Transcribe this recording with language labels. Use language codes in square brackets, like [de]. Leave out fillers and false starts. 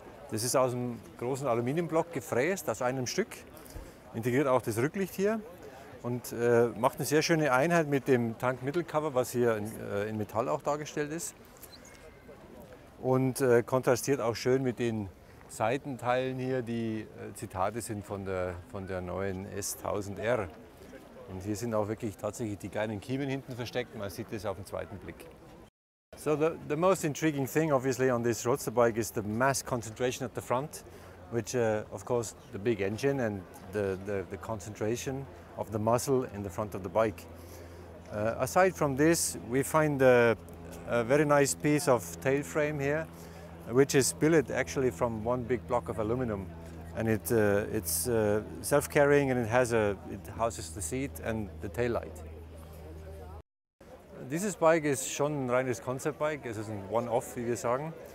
[de] Das ist aus einem großen Aluminiumblock gefräst, aus einem Stück. Integriert auch das Rücklicht hier und macht eine sehr schöne Einheit mit dem Tankmittelcover, was hier in Metall auch dargestellt ist. Und kontrastiert auch schön mit den Seitenteilen hier, die Zitate sind von der neuen S1000R. Und hier sind auch wirklich tatsächlich die kleinen Kiemen hinten versteckt. Man sieht das auf den zweiten Blick. [en] So the most intriguing thing obviously on this roadster bike is the mass concentration at the front, which of course the big engine and the concentration of the muscle in the front of the bike. Aside from this, we find a very nice piece of tail frame here, which is billet actually from one big block of aluminum, and it's self-carrying and it houses the seat and the tail light. [de] Dieses Bike ist schon ein reines Concept-Bike, es ist ein One-Off, wie wir sagen.